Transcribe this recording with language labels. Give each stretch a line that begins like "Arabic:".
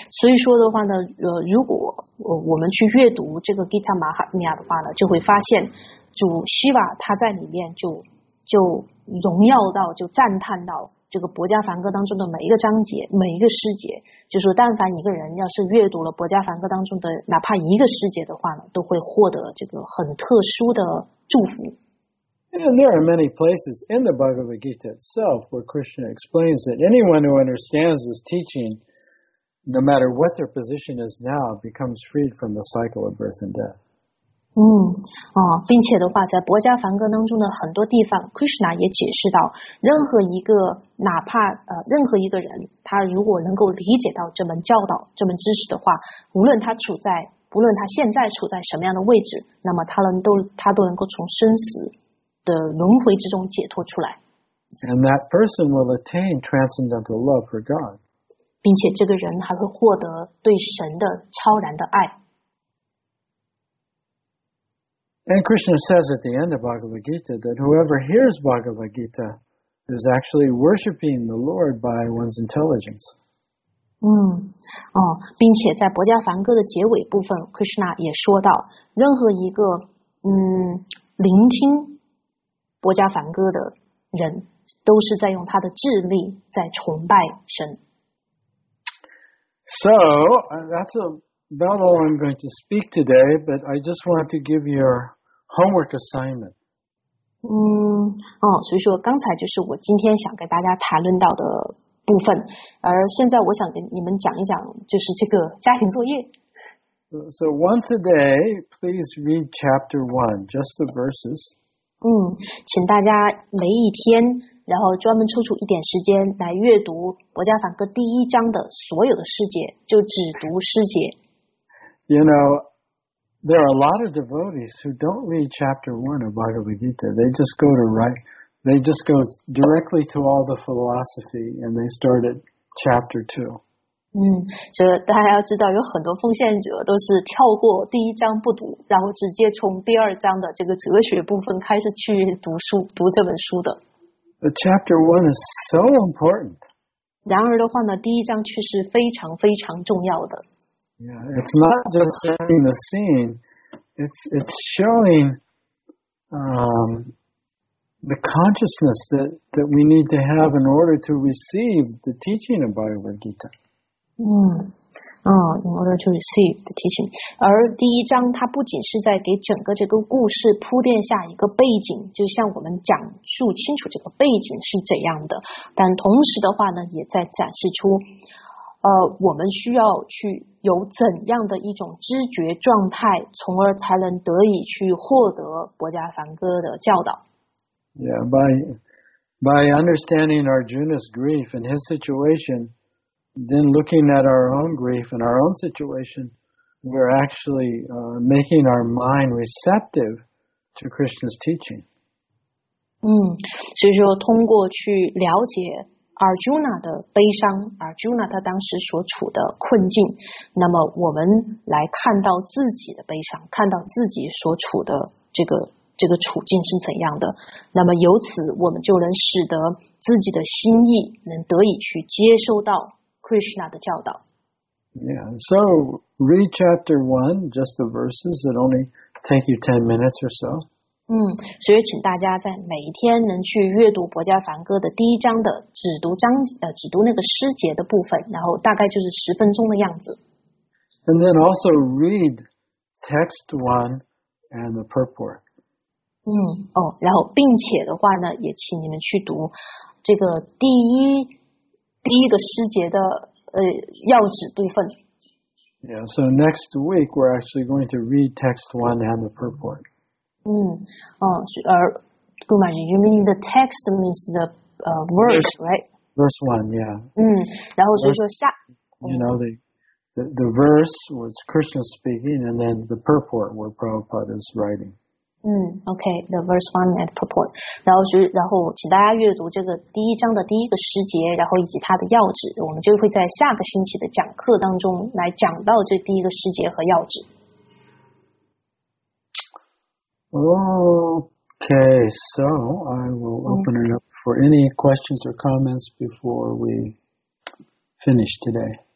Chinese: 所以说的话呢，如果我们去阅读这个 Gita Mahatmya 的话呢，就会发现主希瓦他在里面就荣耀到，就赞叹到这个博迦梵歌当中的每一个章节、每一个诗节。就是但凡一个人要是阅读了博迦梵歌当中的哪怕一个诗节的话呢，都会获得这个很特殊的祝福。
English: And there are many places in the Bhagavad Gita itself where Krishna explains that anyone who understands this teaching, no matter what their position is now, becomes freed from the cycle of birth and death.
Chinese: 并且的话，在博迦梵歌当中的很多地方 ，Krishna 也解释到，任何一个哪怕任何一个人，他如果能够理解到这门教导、这门知识的话，无论他现在处在什么样的位置，那么他都能够从生死的轮回之中解脱出来。
English: And that person will attain transcendental love for God.
Chinese: 并且这个人还会获得对神的超然的爱。
English: And Krishna says at the end of Bhagavad Gita that whoever hears Bhagavad Gita is actually worshipping the Lord by one's intelligence.
Chinese: 并且在博迦梵歌的结尾部分 ，Krishna 也说到，任何一个聆听博迦梵歌的人都是在用他的智力在崇拜神。
English: So, that's about all I'm going to speak today, but I just want to give your homework assignment.
Chinese: 所以说刚才就是我今天想给大家谈论到的部分，而现在我想给你们讲一讲就是这个家庭作业。
English: So, once a day, please read chapter one, just the verses.
Chinese: 请大家每一天然后专门抽出一点时间来阅读博迦梵歌第一章的所有的诗节，就只读诗节。
English: You know, there are a lot of devotees who don't read chapter one of Bhagavad Gita. They just go directly to all the philosophy and they start at chapter two.
Chinese: 所以大家要知道有很多奉献者都是跳过第一章不读，然后直接从第二章的这个哲学部分开始去读书，读这本书的。
English: chapter 1 is so important.
Chinese: 然而的话呢，第一章却是非常非常重要的。
English: Yeah, it's not just setting the scene, it's showing the consciousness that we need to have in order to receive the teaching of Bhagavad Gita. In order to receive the teaching.
Chinese: 而第一章它不仅是在给整个这个故事铺垫下一个背景，就像我们讲述清楚这个背景是怎样的，但同时的话呢，也在展示出我们需要去有怎样的一种知觉状态，从而才能得以去获得薄伽梵歌的教导。
English: Yeah, by understanding Arjuna's grief and his situation, then looking at our own grief and our own situation, we're actually making our mind receptive to Krishna's teaching.
Chinese: 所以说通过去了解Arjuna 的悲伤， Arjuna 他当时所处的困境，那么我们来看到自己的悲伤，看到自己所处的这个处境是怎样的，那么由此我们就能使得自己的心意能得以去接收到 Krishna 的教导。
English: Yeah, so read chapter 1, just the verses, it only take you 10 minutes or so.
Chinese: 所以请大家在每一天能去阅读薄伽梵歌的第一章的只读章只读那个诗节的部分，然后大概就是十分钟的样子。
English: And then also read text 1 and the purport.
Chinese: 然后并且的话呢，也请你们去读这个第一个诗节的要旨部分。
English: Yeah, so next week we're actually going to read text 1 and the purport. You mean the text means the verse, right? Verse 1, yeah.
Chinese: 然后所以说下
English: You know, the verse was Krishna speaking, and then the purport where Prabhupada is writing. Okay, the verse 1 and purport.
Chinese: 然后请大家阅读这个第一章的第一个诗节，然后以及它的要旨，我们就会在下个星期的讲课当中来讲到这第一个诗节和要旨。
English: Okay, so I will open it up for any questions or comments before we finish today.